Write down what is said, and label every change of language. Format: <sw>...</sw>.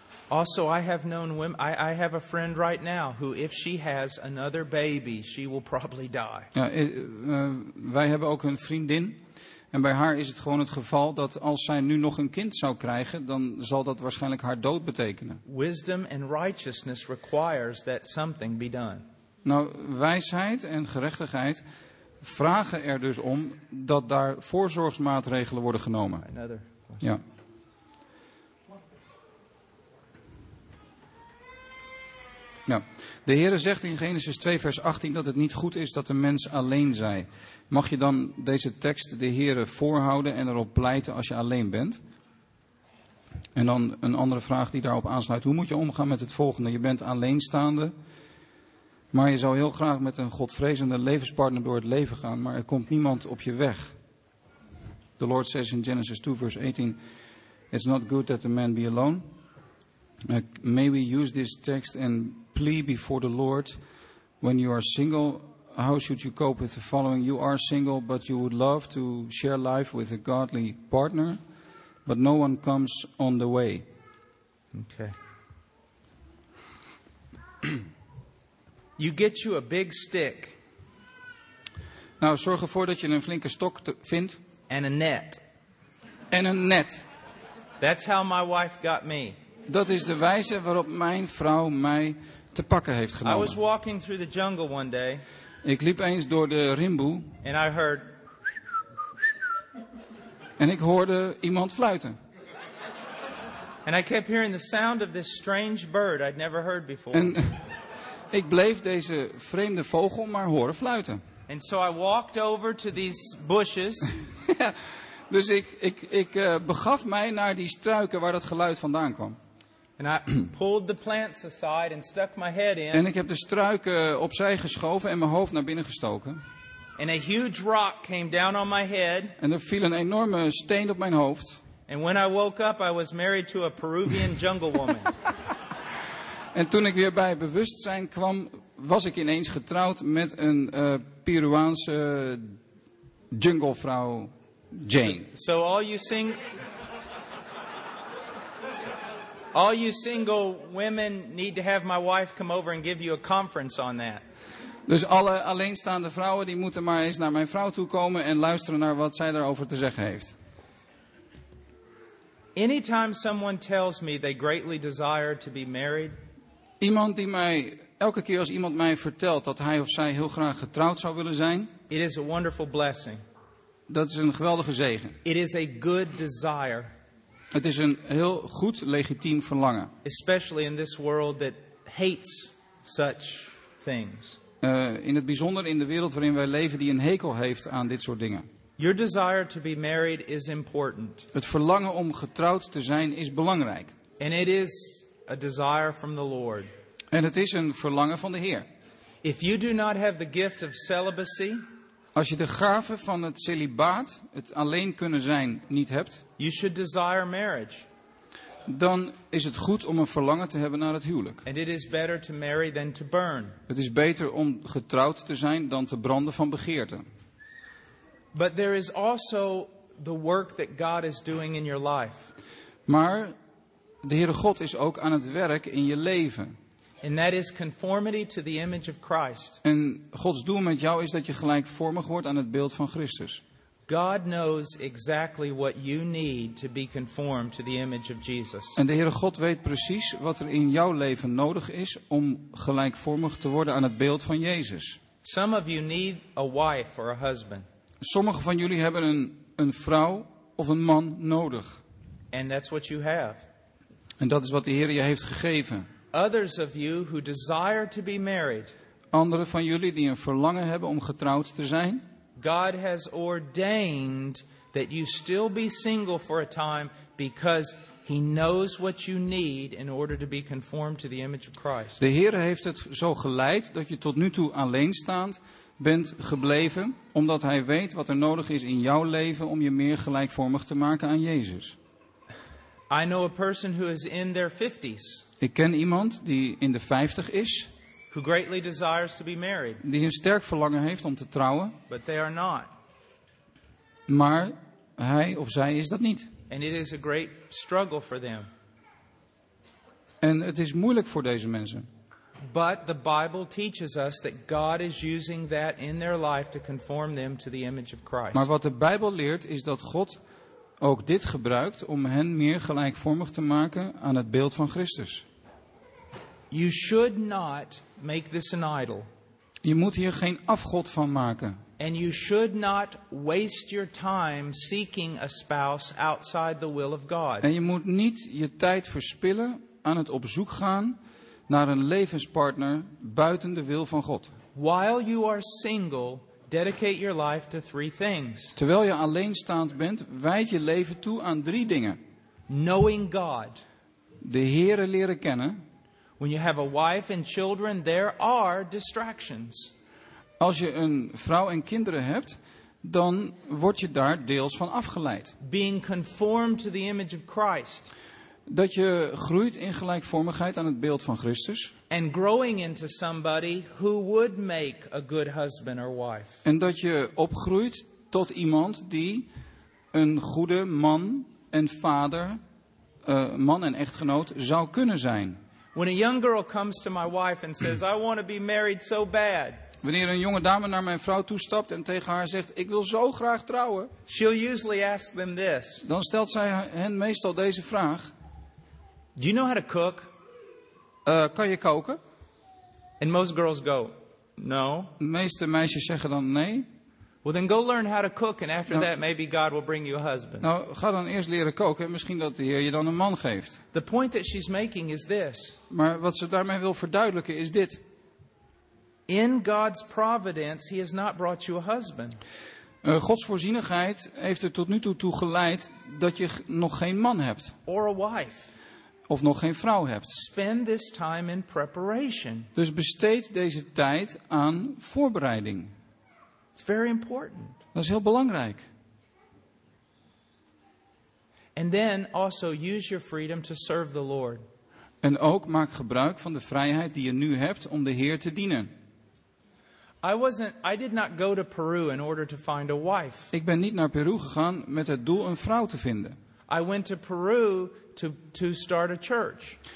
<en>Also, I have known women. I have a friend right now who, if she has another baby, she will probably die.</en> <nl>Ja, wij hebben ook een vriendin. En bij haar is het gewoon het geval dat als zij nu nog een kind zou krijgen, dan zal dat waarschijnlijk haar dood betekenen.</nl> <en>Wisdom and righteousness requires that something be done.</en> <nl>Nou, wijsheid en gerechtigheid vragen er dus om dat daar voorzorgsmaatregelen worden genomen.</nl> <en>Another question.</en> <nl>Ja. Ja. De Heere zegt in Genesis 2 vers 18 dat het niet goed is dat de mens alleen zij. Mag je dan deze tekst de Heere voorhouden en erop pleiten als je alleen bent? En dan een andere vraag die daarop aansluit. Hoe moet je omgaan met het volgende? Je bent alleenstaande, maar je zou heel graag met een godvrezende levenspartner door het leven gaan, maar er komt niemand op je weg.</nl> <en>The Lord says in Genesis 2 vers 18, it's not good that a man be alone. May we use this text and plea before the Lord, when you are single, how should you cope with the following? You are single, but you would love to share life with a godly partner, but no one comes on the way. Okay. You get you a big stick.</en> <nl>Nou, zorg ervoor dat je een flinke stok vindt.</nl> <en>And a net.</en> <nl>En een net.</nl> <en>That's how my wife got me.</en> <nl>Dat is de wijze waarop mijn vrouw mij te pakken heeft genomen.</nl> <en>I was walking through the jungle one day.</en> <nl>Ik liep eens door de rimboe.</nl> <en>And I heard.</en> <nl>En ik hoorde iemand fluiten.</nl> <en>And I kept hearing the sound of this strange bird I'd never heard before.</en> <nl>En ik bleef deze vreemde vogel maar horen fluiten.</nl> <en>And so I walked over to these bushes.</en> <nl>Ja, dus ik begaf mij naar die struiken waar dat geluid vandaan kwam.</nl> <en>And I pulled the plants aside and stuck my head in.</en> <nl>En ik heb de struiken opzij geschoven en mijn hoofd naar binnen gestoken.</nl> <en>And a huge rock came down on my head.</en> <nl>En er viel een enorme steen op mijn hoofd.</nl> <en>And when I woke up, I was married to a Peruvian jungle woman.</en> <nl>En toen ik weer bij bewustzijn kwam, was ik ineens getrouwd met een Peruaanse junglevrouw, Jane.</nl> <en>So all you sing. All you single women need to have my wife come over and give you a conference on that.</en> <nl>Dus alle alleenstaande vrouwen die moeten maar eens naar mijn vrouw toe komen en luisteren naar wat zij daarover te zeggen heeft.</nl> <en>Anytime someone tells me they greatly desire to be married.</en> <nl>Iemand die mij elke keer als iemand mij vertelt dat hij of zij heel graag getrouwd zou willen zijn.</nl> <en>It is a wonderful blessing.</en> <nl>Dat is een geweldige zegen.</nl> <en>It is a good desire.</en> <nl>Het is een heel goed, legitiem verlangen.</nl> <en>Especially in this world that hates such things.</en> <nl>In het bijzonder in de wereld waarin wij leven die een hekel heeft aan dit soort dingen.</nl> <en>Your desire to be married is important.</en> <nl>Het verlangen om getrouwd te zijn is belangrijk.</nl> <en>And it is a desire from the Lord.</en> <nl>En het is een verlangen van de Heer.</nl> <en>If you do not have the gift of celibacy.</en> <nl>Als je de gave van het celibaat, het alleen kunnen zijn, niet hebt,</nl> <en>you should desire marriage.</en> <nl>dan is het goed om een verlangen te hebben naar het huwelijk.</nl> <en>And it is better to marry than to burn.</en> <nl>Het is beter om getrouwd te zijn dan te branden van begeerte.</nl> <en>But there is also the work that God is doing in your life.</en> <nl>Maar de Heere God is ook aan het werk in je leven.</nl> <en>And that is conformity to the image of Christ.</en> <nl>En Gods doel met jou is dat je gelijkvormig wordt aan het beeld van Christus.</nl> <en>God knows exactly what you need to be conformed to the image of Jesus.</en> <nl>En de Heere God weet precies wat er in jouw leven nodig is om gelijkvormig te worden aan het beeld van Jezus.</nl> <en>Some of you need a wife or a husband.</en> <nl>Sommigen van jullie hebben een vrouw of een man nodig.</nl> <en>And that's what you have.</en> <nl>En dat is wat de Heer je heeft gegeven.</nl> <en>Others of you who desire to be married.</en> <nl>Anderen van jullie die een verlangen hebben om getrouwd te zijn.</nl> <en>God has ordained that you still be single for a time because he knows what you need in order to be conformed to the image of Christ.</en> <nl>De Heer heeft het zo geleid dat je tot nu toe alleenstaand bent gebleven omdat hij weet wat er nodig is in jouw leven om je meer gelijkvormig te maken aan Jezus.</nl> <en>I know a person who is in their 50s.</en> <nl>Ik ken iemand die in de 50 is.</nl> <en>Who greatly desires to be married.</en> <nl>Die een sterk verlangen heeft om te trouwen.</nl> <en>But they are not.</en> <nl>Maar hij of zij is dat niet.</nl> <en>And it is a great struggle for them.</en> <nl>En het is moeilijk voor deze mensen.</nl> <en>But the Bible teaches us that God is using that in their life to conform them to the image of Christ.</en> <nl>Maar wat de Bijbel leert is dat God ook dit gebruikt om hen meer gelijkvormig te maken aan het beeld van Christus.</nl> <en>You should not make this an idol.</en> <nl>Je moet hier geen afgod van maken.</nl> <en>And you should not waste your time seeking a spouse outside the will of God.</en> <nl>En je moet niet je tijd verspillen aan het op zoek gaan naar een levenspartner buiten de wil van God.</nl> <en>While you are single, dedicate your life to three things.</en> <nl>Terwijl je alleenstaand bent, wijd je leven toe aan drie dingen.</nl> <en>Knowing God.</en> <nl>De Heere leren kennen.</nl> <en>When you have a wife and children, there are distractions.</en> <nl>Als je een vrouw en kinderen hebt, dan word je daar deels van afgeleid.</nl> <en>Being conformed to the image of Christ.</en> <nl>Dat je groeit in gelijkvormigheid aan het beeld van Christus.</nl> <en>And growing into somebody who would make a good husband or wife.</en> <nl>En dat je opgroeit tot iemand die een goede man en vader, man en echtgenoot zou kunnen zijn.</nl> <en>When a young girl comes to my wife and says, I want to be married so bad.</en> <nl>Wanneer een jonge dame naar mijn vrouw toestapt en tegen haar zegt, ik wil zo graag trouwen.</nl> <en>She'll usually ask them this.</en> <nl>Dan stelt zij hen meestal deze vraag.</nl> <en>Do you know how to cook?</en> <nl>Kan je koken?</nl> <en>And most girls go, no.</en> <nl>De meeste meisjes zeggen dan nee.</nl> <en>Well then go learn how to cook and after that maybe God will bring you a husband.</en> <nl>Nou, ga dan eerst leren koken en misschien dat de Heer je dan een man geeft.</nl> <en>The point that she's making is this.</en> <nl>Maar wat ze daarmee wil verduidelijken is dit.</nl> <en>In God's providence, he has not brought you a husband.</en> <nl>Gods voorzienigheid heeft er tot nu toe toe geleid dat je nog geen man hebt.</nl> <en>Or a wife.</en> <nl>Of nog geen vrouw hebt.</nl> <en>Spend this time in preparation.</en> <nl>Dus besteed deze tijd aan voorbereiding.</nl> <en>It's very important.</en> <nl>Dat is heel belangrijk.</nl> <en>And then also use your freedom to serve the Lord.</en> <nl>En ook maak gebruik van de vrijheid die je nu hebt om de Heer te dienen.</nl> <en>I did not go to Peru in order to find a wife.</en> <nl>Ik ben niet naar Peru gegaan met het doel een vrouw te vinden.</nl> <en>I went to Peru to start a church.</en>